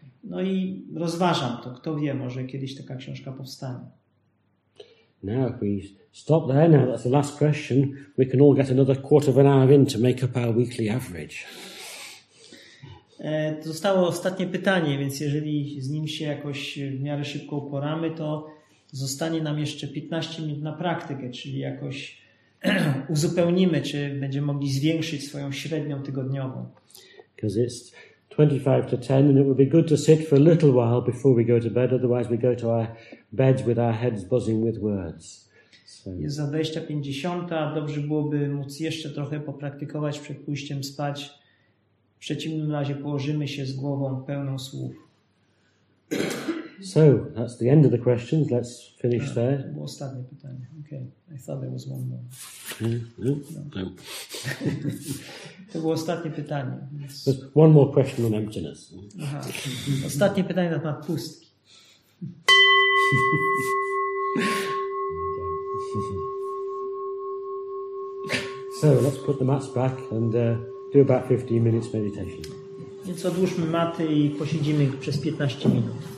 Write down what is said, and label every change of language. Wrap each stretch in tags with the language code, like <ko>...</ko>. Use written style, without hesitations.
<pl>No i rozważam to. Kto wie, może kiedyś taka książka powstanie.</pl> <en>Now if we stop there, now that's the last question, we can all get another quarter of an hour in to make up our weekly average.</en> <pl>To zostało ostatnie pytanie, więc jeżeli z nim się jakoś w miarę szybko uporamy, to zostanie nam jeszcze 15 minut na praktykę, czyli jakoś uzupełnimy, czy będziemy mogli zwiększyć swoją średnią tygodniową.</pl> <en>Because it's 25 to 10 and it would be good to sit for a little while before we go to bed, otherwise we go to our beds with our heads buzzing with words. So.</en> <pl>Jest za 20:50, dobrze byłoby móc jeszcze trochę popraktykować przed pójściem spać. W przeciwnym razie położymy się z głową pełną słów.</pl> <en>So, that's the end of the questions. Let's finish there.</en> <pl>To było ostatnie pytanie.</pl> <en>Okay. I thought there was one more. No.</en> <pl>To było ostatnie pytanie.</pl> <en>There's one more question on emptiness.</en> <pl>Ostatnie pytanie na temat pustki.</pl> <en>So, let's put the mats back and do about 15 minutes meditation.</en> <pl>Więc odłóżmy maty i posiedzimy przez 15 minut.</pl>